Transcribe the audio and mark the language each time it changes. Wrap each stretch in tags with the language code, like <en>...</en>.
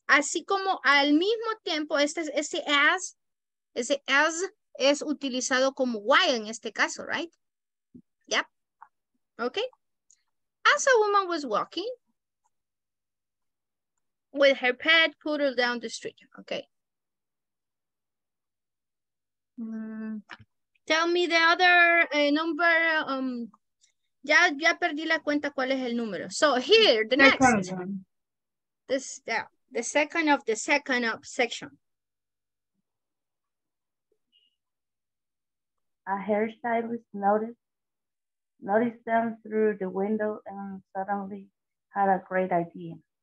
<es>Así como al mismo tiempo, ese as es utilizado como while en este caso, right?</es> <en>Yep. Okay. As a woman was walking with her pet poodle down the street. Okay. Tell me the other number.</en> <es>Ya perdí la cuenta cuál es el número.</es> <en>So here, the next. This the second of the second up section. A hairstylist noticed them through the window and suddenly had a great idea.</en>